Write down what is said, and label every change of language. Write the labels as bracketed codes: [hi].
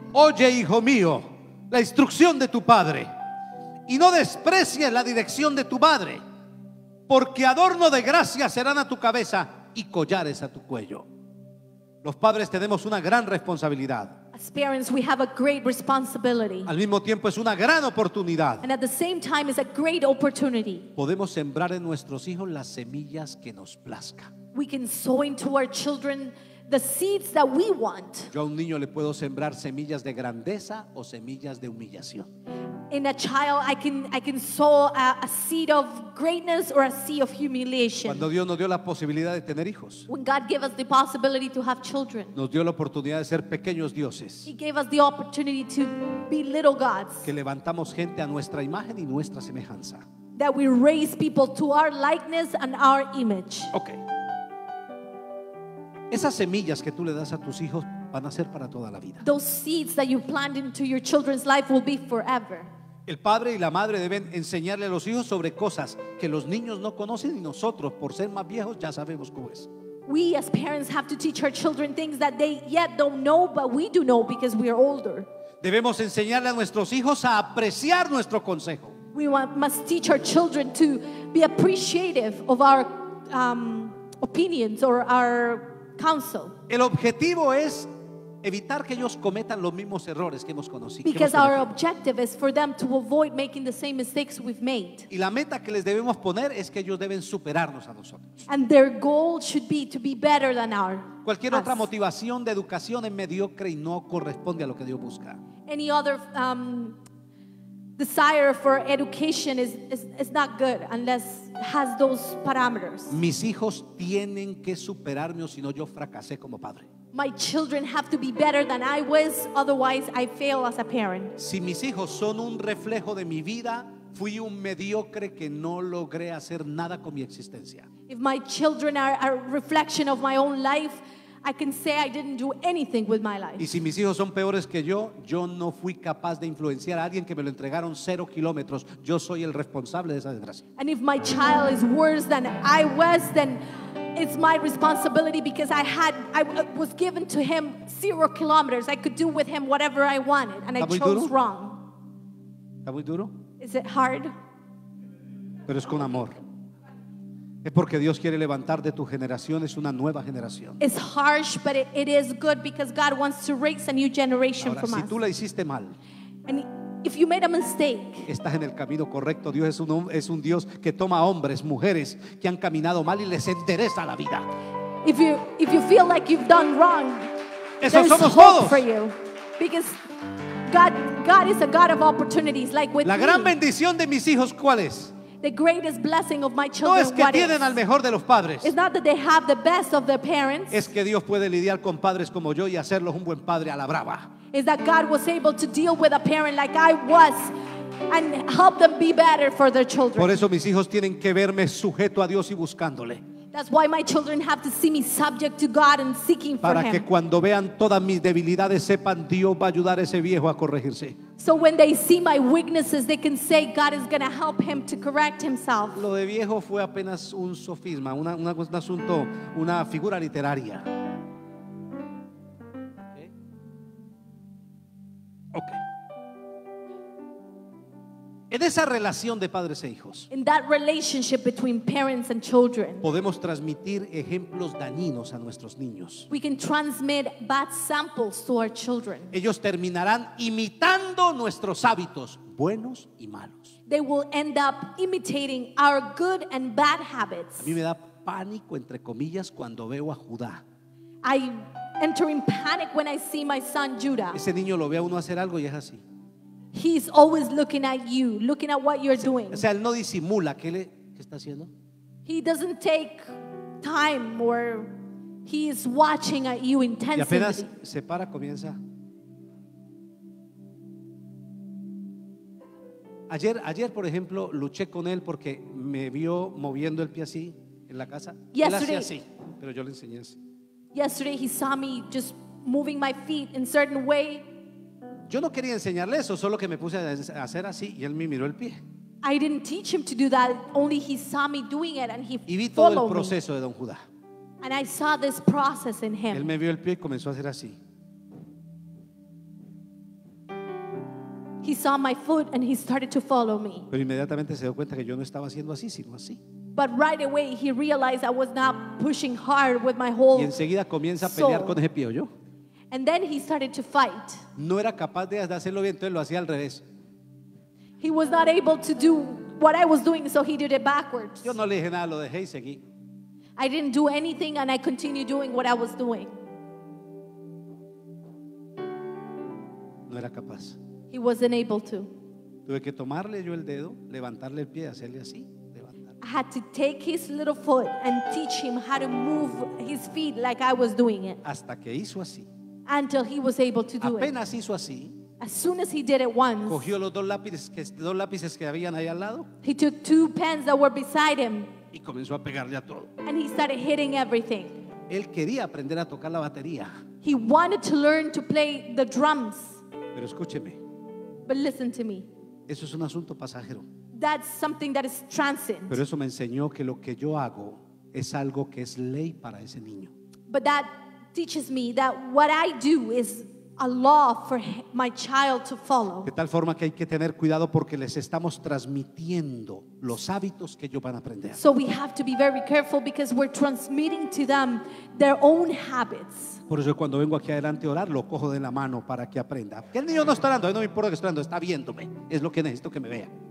[es] Oye, hijo mío, la instrucción de tu padre, y no desprecies la dirección de tu madre, porque adorno de gracia serán a tu cabeza y collares a tu cuello. Los padres tenemos una gran responsabilidad. [en] As parents, we have a great responsibility. [es] Al mismo tiempo, es una gran oportunidad. [en] And at the same time, it's a great opportunity. [es] Podemos sembrar en nuestros hijos las semillas que nos plazca. [en] We can sow into our children the seeds that we want. [es] Yo a un niño le puedo sembrar semillas de grandeza o semillas de humillación. [en] In a child, I can sow a seed of greatness or a seed of humiliation. [es] Cuando Dios nos dio la posibilidad de tener hijos. [en] When God gave us the possibility to have children. [es] Nos dio la oportunidad de ser pequeños dioses. [en] He gave us the opportunity to be little gods. [es] Que levantamos gente a nuestra imagen y nuestra semejanza. [en] That we raise people to our likeness and our image. Okay. [es] Esas semillas que tú le das a tus hijos van a ser para toda la vida. [en] Those seeds that you plant into your children's life will be forever. [es] El padre y la madre deben enseñarle a los hijos sobre cosas que los niños no conocen y nosotros, por ser más viejos, ya sabemos cómo es. [en] We as parents have to teach our children things that they yet don't know, but we do know because we are older. [es] Debemos enseñarle a nuestros hijos a apreciar nuestro consejo. [en] We must teach our children to be appreciative of our opinions or our counsel. [es] El objetivo es evitar que ellos cometan los mismos errores que hemos conocido. [en] Because our objective is for them to avoid making the same mistakes we've made. [es] Y la meta que les debemos poner es que ellos deben superarnos a nosotros. [en] And their goal should be to be better than our. [es] Cualquier otra motivación de educación es mediocre y no corresponde a lo que Dios busca. [en] Any other desire for education is not good unless it has those parameters. [es] Mis hijos tienen que superarme o si no yo fracasé como padre. [en] My children have to be better than I was, otherwise I fail as a parent. [es] Si mis hijos son un reflejo de mi vida, fui un mediocre que no logré hacer nada con mi existencia. [en] If my children are a reflection of my own life, I can say I didn't do anything with my life. [es] Y si mis hijos son peores que yo, yo no fui capaz de influenciar a alguien que me lo entregaron cero kilómetros. Yo soy el responsable de esa desgracia. [en] And if my child is worse than I was, then it's my responsibility because I was given to him 0 kilometers. I could do with him whatever I wanted, and I chose [es] duro? [en] Wrong. [es] ¿Está muy duro? [en] Is it hard? [es] Pero es con amor. Es porque Dios quiere levantar de tu generación es una nueva generación. [en] It's harsh, but it is good because God wants to raise a new generation from us. [es] Ahora, si tú la hiciste mal, [en] and if you made a mistake, [es] estás en el camino correcto. Dios es un Dios que toma hombres, mujeres que han caminado mal y les endereza la vida. [en] If you feel like you've done wrong, [es] eso [en] there's hope [es] todos. [en] For you because God is a God of opportunities. Like with [es] la gran [en] me. [es] Bendición de mis hijos, ¿cuál es? [en] The greatest blessing of my children, [es] no es que [en] what [es] tienen [en] is. [es] Al mejor de los padres. [en] It's not that they have the best of their parents. [es] Es que Dios puede lidiar con padres como yo y hacerlos un buen padre a la brava. [en] Is that God was able to deal with a parent like I was and help them be better for their children. [es] Por eso mis hijos tienen que verme sujeto a Dios y buscándole. [en] That's why my children have to see me subject to God and seeking [es] para [en] for him. [es] Para que cuando vean todas mis debilidades sepan Dios va a ayudar a ese viejo a corregirse. [en] So when they see my weaknesses, they can say God is going to help him to correct himself. [es] Lo de viejo fue apenas un sofisma, un asunto, una figura literaria. [en] Okay. [es] En esa relación de padres e hijos, [en] in that relationship between parents and children, [es] podemos transmitir ejemplos dañinos a nuestros niños. [en] We can transmit bad samples to our children. [es] Ellos terminarán imitando nuestros hábitos, buenos y malos. [en] They will end up imitating our good and bad habits. [es] A mí me da pánico, entre comillas, cuando veo a Judá. [en] I enter in panic when I see my son Judah. [es] Ese niño lo ve a uno hacer algo y es así. [en] He's always looking at you, looking at what you're doing. [es] O sea, él no disimula qué está haciendo. [en] He doesn't take time or he is watching at you intensely. [es] Y apenas se para, comienza. Ayer, por ejemplo, luché con él porque me vio moviendo el pie así en la casa. [en] Yesterday, [es] él hacía así, pero yo le enseñé así. [en] Yesterday he saw me just moving my feet in certain way. [es] Yo no quería enseñarle eso, solo que me puse a hacer así y él me miró el pie. [en] I didn't teach him to do that, only he saw me doing it and he followed me. [es] Y vi todo el proceso de Don Judá. [en] And I saw this process in him. [es] Él me vio el pie y comenzó a hacer así. [en] He saw my foot and he started to follow me. [es] Pero inmediatamente se dio cuenta que yo no estaba haciendo así, sino así. [en] But right away he realized I was not pushing hard with my whole. [es] Y enseguida comienza a pelear con ese pie, ¿oyó? [en] And then he started to fight. [es] No era capaz de hacerlo bien, entonces lo hacía al revés. [en] He was not able to do what I was doing, so he did it backwards. [es] Yo no le dije nada, lo dejé y seguí. [en] I didn't do anything and I continued doing what I was doing. [es] No era capaz. [en] He wasn't able to. [es] Tuve que tomarle yo el dedo, levantarle el pie, hacerle así, levantarle. [en] I had to take his little foot and teach him how to move his feet like I was doing it. [es] Hasta que hizo así. [en] Until he was able to do [es] apenas [en] it. [es] Hizo así, [en] as soon as he did it once, [es] cogió los dos lápices que habían ahí al lado, [en] he took 2 pens that were beside him [es] y comenzó a pegarle a todo. [en] And he started hitting everything. [es] Él quería aprender a tocar la batería. [en] He wanted to learn to play the drums. [es] Pero escúcheme. [en] But listen to me. [es] Eso es un asunto pasajero. [en] That's something that is transient. [es] Pero eso me enseñó que lo que yo hago es algo que es ley para ese niño. [en] But that teaches me that what I do is a law for my child to follow. [es] De tal forma que hay que tener cuidado porque les estamos transmitiendo los hábitos que ellos van a aprender. [en] So we have to be very careful because we're transmitting to them their own habits. [es] Por eso cuando vengo aquí adelante a orar, lo cojo de la mano para que aprenda. Que el niño no está orando, no me importa que esté orando, está viéndome. Es lo que necesito que me vea.